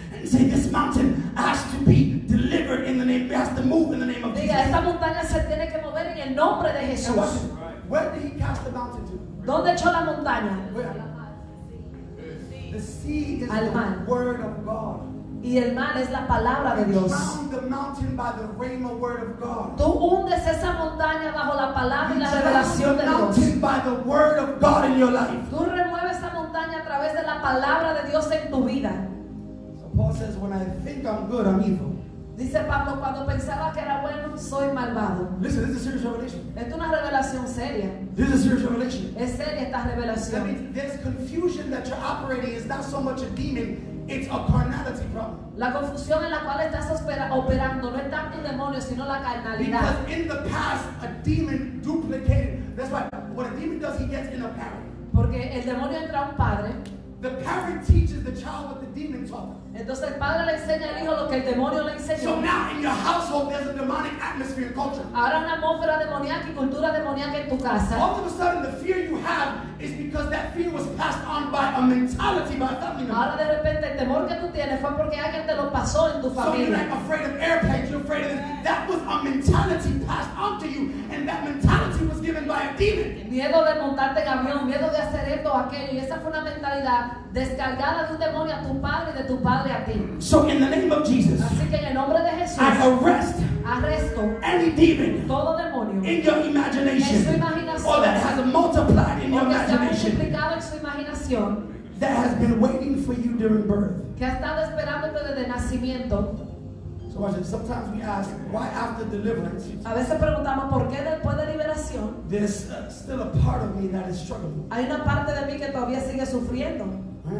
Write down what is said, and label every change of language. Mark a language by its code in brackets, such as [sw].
[en] And say, this mountain has to be delivered in the name, it has to move in the name of [es] Jesus. Diga, esta montaña se tiene que mover en el nombre de Jesús. [en] And where did he cast the mountain to? [es] ¿Dónde echó la montaña? [en] Where? The sea is [es] al mar. [en] The word of God. [es] Y el mar es la palabra de Dios. [en] You drown the mountain by the rhema word of God. [es] Tú hundes esa montaña bajo la palabra y la revelación de Dios. [en] You drown the mountain by the word of God in your life. [es] Tú remueves esa montaña a través de la palabra de Dios en tu vida. [en] So Paul says, when I think I'm good, I'm evil. [es] Dice Pablo, cuando pensaba que era bueno, soy malvado. [en] Listen, this is a serious revelation. [es] Esto es una revelación seria. [en] This is a serious revelation. [es] Es seria esta revelación. [en] That means there's confusion that you're operating is not so much a demon, it's a carnality problem. [es] La confusión en la cual estás operando no es tanto un demonio, sino la carnalidad. [en] Because in the past, a demon duplicated. That's why, what a demon does, he gets in a parent. [es] Porque el demonio entra a un padre. [en] The parent teaches the child what the demon taught them. [es] Entonces el padre le enseña al hijo lo que el demonio le enseñó. [en] So now in your household there's a demonic atmosphere and culture. [es] Ahora una atmósfera demoníaca y cultura demoníaca en tu casa. [en] All of a sudden the fear you have is because that fear was passed on by a mentality, by a family. [es] Ahora de repente el temor que tú tienes fue porque alguien te lo pasó en tu familia. [en] So you're like afraid of airplanes, you're afraid of this. That was a mentality passed on to you, and that mentality was given by a demon. [es] Miedo de montarte en avión, miedo de hacer esto o aquello, y esa fue una mentalidad descargada de un demonio a tu padre y de tu padre a ti. [en] So in the name of Jesus, [es] así que en el nombre de Jesús, [en] I arrest, [es] arresto [en] any demon, [es] todo demonio, [en] in your imagination, [es] en su imaginación, [en] or that has multiplied in your imagination, [es] multiplicado en su imaginación, [en] that has been waiting for you during birth. [es] Que ha estado esperándote desde nacimiento. [en] So watch it. Sometimes we ask, why after deliverance? [es] A veces preguntamos por qué después de liberación. [en] There's still a part of me that is struggling. [es] Hay una parte de mí que todavía sigue sufriendo.